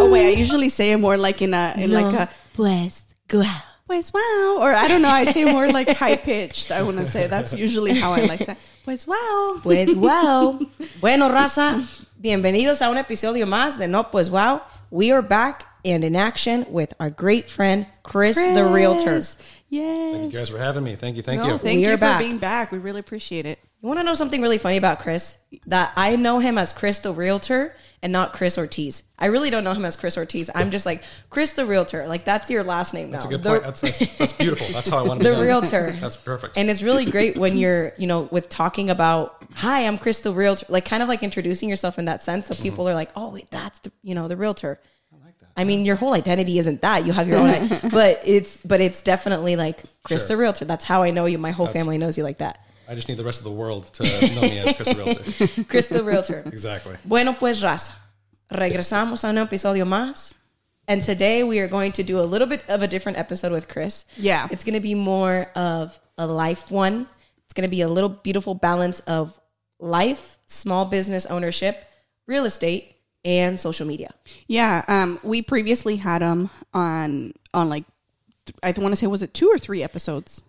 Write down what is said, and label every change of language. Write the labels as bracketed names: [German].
[English] Oh wait, I usually say it more like in [Spanish] Pues Wow. Pues Wow. [English] Or I don't know, I say more like high pitched, I want to say. That's usually how I like say. [Spanish] Pues Wow. Pues Wow. Bueno, raza, bienvenidos a un episodio más de No Pues Wow. [English] We are back and in action with our great friend, Chris, the Realtor. Yes. Thank you guys for having me. Thank you. Thank you for being back. We really appreciate it. You want to know something really funny about Chris? That I know him as Chris, the Realtor, and not Chris Ortiz. I really don't know him as Chris Ortiz. I'm just like, Chris, the Realtor. Like, that's your last name that's now. That's a good point. That's beautiful. That's how I want to the be The Realtor. That's perfect. And it's really great when you're, you know, with talking about, hi, I'm Chris, the Realtor. Like, kind of like introducing yourself in that sense. So people are like, oh, wait, that's, the Realtor. I mean, your whole identity isn't that. You have your own, but it's definitely like Chris, sure, the Realtor. That's how I know you. My whole family knows you like that. I just need the rest of the world to know me as Chris, the Realtor. Chris, the Realtor. Exactly. [Spanish] Bueno, pues, raza. Regresamos a un episodio más. [English] And today we are going to do a little bit of a different episode with Chris. Yeah. It's going to be more of a life one. It's going to be a little beautiful balance of life, small business ownership, real estate, and social media. Yeah. We previously had him on like, I want to say, was it two or three episodes?